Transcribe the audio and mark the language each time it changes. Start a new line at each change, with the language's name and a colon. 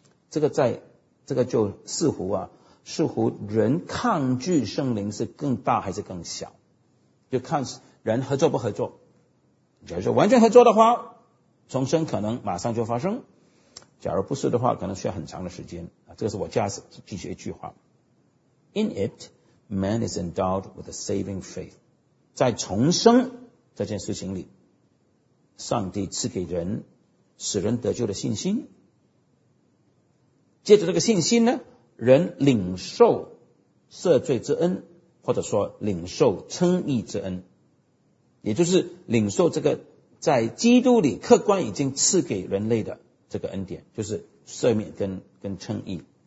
Chinese: 这个在这个就似乎啊，似乎人抗拒圣灵是更大还是更小，就看人合作不合作。假如说完全合作的话，重生可能马上就发生；假如不是的话，可能需要很长的时间。这个是我加进去一句话。
English: In it, man is endowed with a saving faith。
Chinese: 在重生这件事情里，上帝赐给人使人得救的信心。借着这个信心呢，人领受赦罪之恩，或者说领受称义之恩，也就是领受这个在基督里客观已经赐给人类的这个恩典，就是赦免跟称义。